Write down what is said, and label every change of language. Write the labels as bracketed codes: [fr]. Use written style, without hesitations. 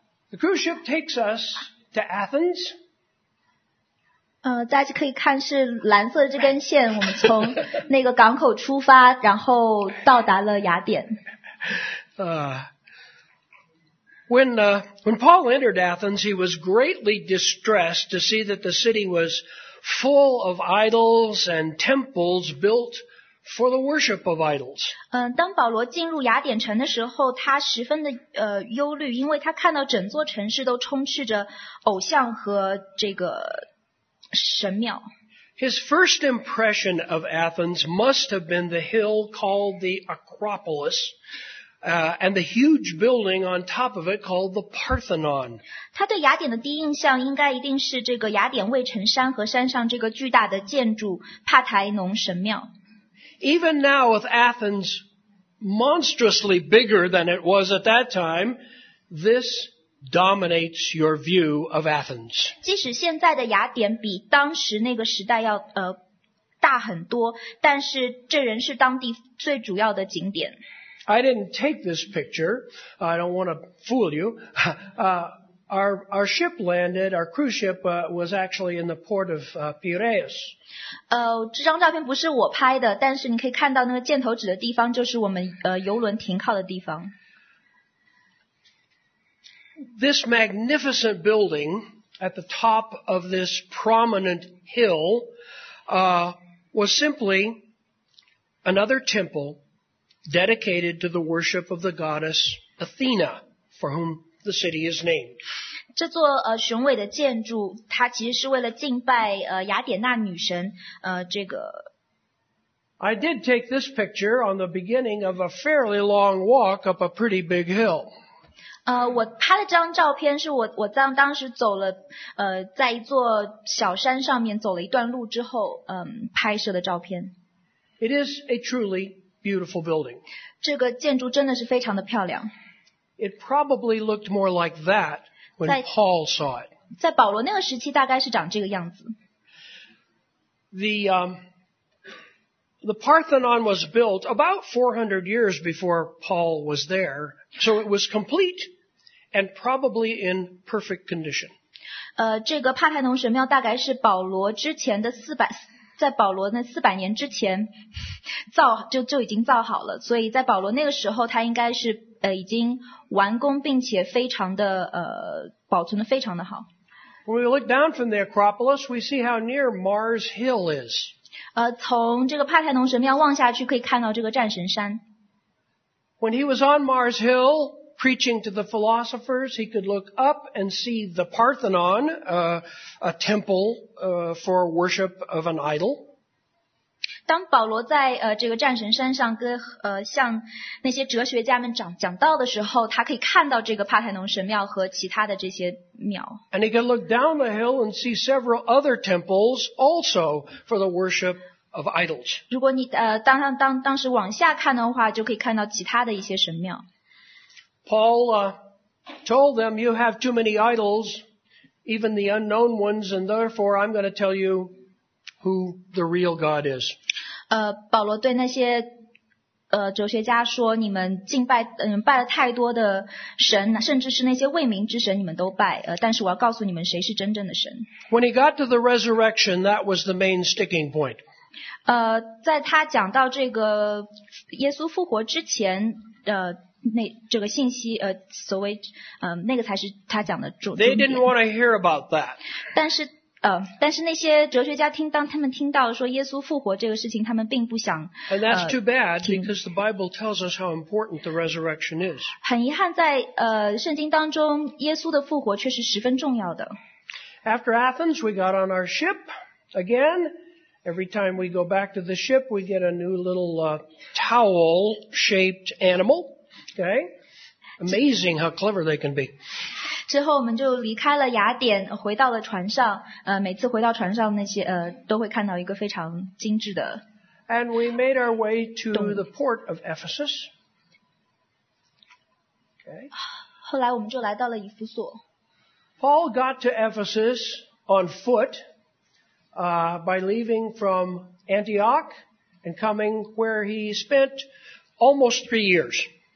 [en] The cruise ship takes us to Athens. [zh] 大家可以看是蓝色的这根线，我们从那个港口出发，然后到达了雅典。 [en] When Paul entered Athens, he was greatly distressed to see that the city was full of idols and temples built for the worship of idols. [zh] 当保罗进入雅典城的时候，他十分的忧虑，因为他看到整座城市都充斥着偶像和这个神庙。 [en] His first impression of Athens must have been the hill called the Acropolis. And the huge building on top of it called the Parthenon. [zh] 他对雅典的第一印象应该一定是这个雅典卫城山和山上这个巨大的建筑帕台农神庙。 [en] Even now with Athens monstrously bigger than it was at that time, this dominates your view of Athens. [zh] 即使现在的雅典比当时那个时代要大很多，但是这仍是当地最主要的景点。 [en] I didn't take this picture. I don't want to fool you. Our ship landed, our cruise ship was actually in the port of Piraeus. [zh] 这张照片不是我拍的，但是你可以看到那个箭头指的地方就是我们游轮停靠的地方。 [en] This magnificent building at the top of this prominent hill was simply another temple dedicated to the worship of the goddess Athena, for whom the city is named. [zh] 这座雄伟的建筑，它其实是为了敬拜雅典娜女神。这个。 [en] I did take this picture on the beginning of a fairly long walk up a pretty big hill. [zh] 我拍的这张照片是我当时走了在一座小山上面走了一段路之后拍摄的照片。 [en] It is a truly beautiful building. [zh] 这个建筑真的是非常的漂亮。 [en] It probably looked more like that when Paul saw it. [zh] 在保罗那个时期大概是长这个样子。 [en] The Parthenon was built about 400 years before Paul was there, so it was complete and probably in perfect condition. [zh] 这个帕泰农神庙大概是保罗之前的在保罗那四百年之前就已经造好了，所以在保罗那个时候他应该是已经完工，并且非常的保存的非常的好。 [en] When we look down from the Acropolis, we see how near Mars Hill is. [zh] 从这个帕泰农神庙望下去，可以看到这个战神山。 [en] When he was on Mars Hill preaching to the philosophers, he could look up and see the Parthenon, a temple for worship of an idol. [zh] 当保罗在这个战神山上跟向那些哲学家们讲道的时候，他可以看到这个帕泰农神庙和其他的这些庙。 [en] And he can look down the hill and see several other temples also for the worship of idols. [zh] 如果你当时往下看的话，就可以看到其他的一些神庙。 [en] Paul told them, "You have too many idols, even the unknown ones, and therefore I'm going to tell you who the real God is." [zh] 保罗对那些哲学家说，你们敬拜拜了太多的神，甚至是那些未名之神你们都拜，但是我要告诉你们谁是真正的神。 [en] When he got to the resurrection, that was the main sticking point. [zh] 在他讲到这个耶稣复活之前这个信息所谓那个才是他讲的重点。 [en] They didn't want to hear about that. [zh] 但是那些哲学家当他们听到说耶稣复活这个事情，他们并不想。 [en] And that's too bad because the Bible tells us how important the resurrection is. [zh] 很遗憾，在圣经当中，耶稣的复活确实十分重要的。 [en] After Athens, we got on our ship again. Every time we go back to the ship, we get a new little towel-shaped animal. Okay, amazing how clever they can be. [zh] 之后我们就离开了雅典，回到了船上。每次回到船上，那些都会看到一个非常精致的。 [en] And we made our way to the port of Ephesus. Okay. [zh] 后来我们就来到了以弗所。 [en] Paul got to Ephesus on foot, by leaving from Antioch and coming where he spent almost 3 years.